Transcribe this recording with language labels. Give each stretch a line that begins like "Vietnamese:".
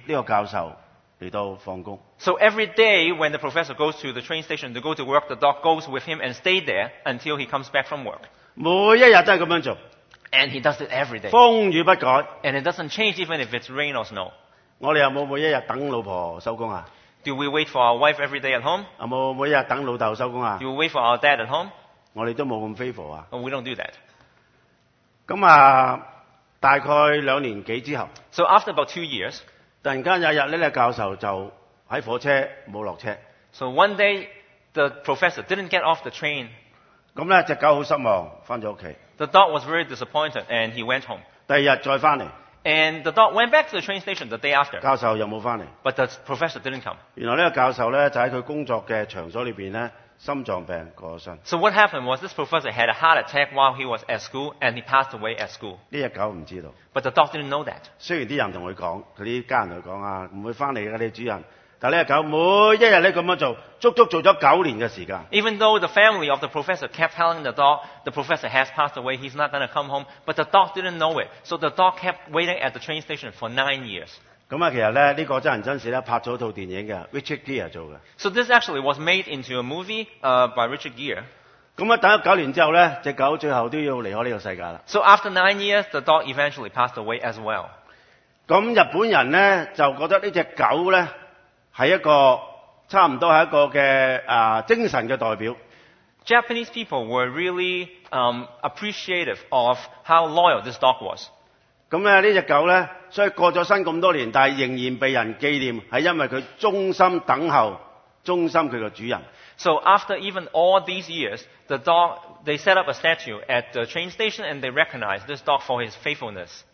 Chinese: 但這隻狗每一天就會走去火車站接這個教授來到放工。
English: So every day when the professor goes to the train station to go to work, the dog goes with him and stays there until he comes back from work.
Chinese: 每一天都是這樣做。
English: And he does it every day.
Chinese: 風雨不改。
English: And it doesn't change even if it's rain or snow.
Chinese: 我們有沒有每一天等老婆下班啊?
English: Do we wait for our wife every day at home?
Chinese: 有沒有每一天等老爸下班啊?
English: Do we wait for our dad at home?
Chinese: 我們都沒有那麼favor啊。
English: Oh, we don't do that.
Chinese: 大概兩年多之後,
English: so after about 2 years,
Chinese: 突然間有一天教授就在火車沒有下車。
English: So one day, the professor didn't get off the train.
Chinese: 那隻狗很失望,回家。
English: The dog was very disappointed and he went home.
Chinese: 第二天再回來。
English: And the dog went back to the train station the day after.
Chinese: 教授又沒有回來。
English: But the professor didn't come.
Chinese: 原來這個教授就在他工作的場所裡面呢, 心臟病過身。
English: So what happened was this professor had a heart attack while he was at school and he passed away at school.
Chinese: 這隻狗不知道。
English: But the dog didn't know that.
Chinese: 雖然那些人跟他說,那些家人跟他說,不會回來的,你主人。但這隻狗每一天這樣做,足足做了9年的時間。
English: Even though the family of the professor kept telling the dog, the professor has passed away, he's not going to come home, but the dog didn't know it. So the dog kept waiting at the train station for 9 years.
Chinese: 其實這個真人真事拍了一套電影的, Richard Gere做的。
English: So this actually was made into a movie by Richard Gere.
Chinese: 等了9年之後,這隻狗最後都要離開這個世界了。
English: So after 9 years, the dog eventually passed away as well.
Chinese: 日本人就覺得這隻狗呢, 是一個差不多是一個精神的代表。
English: Japanese people were really appreciative of how loyal this dog was.
Chinese: 這隻狗所以過了身這麼多年但仍然被人紀念是因為它忠心等候忠心它的主人。
English: So after even all these years, the dog, they set up a statue at the train station and they recognized this dog for his faithfulness.